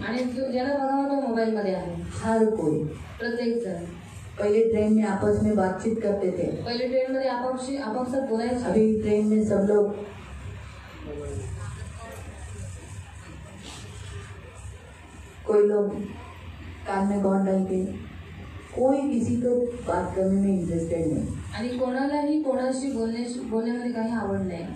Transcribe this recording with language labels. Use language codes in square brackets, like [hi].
[mr] आणि जो ज्याला बघावं तो मोबाइल मध्ये आहे. [hi] हर कोई, [mr] प्रत्येक जण. [hi] पहिले ट्रेन में आपस में बातचीत करते थे, [mr] पहिले ट्रेन मध्ये आपापसात बोलायचे. [hi] अभी ट्रेन में सब लोग कोई लोग कान में गॉन डाल के, कोई किसी को बात करने में इंटरेस्टेड नहीं. [mr] आणि कोणालाही कोणाशी बोलण्यामध्ये काही आवड नाही.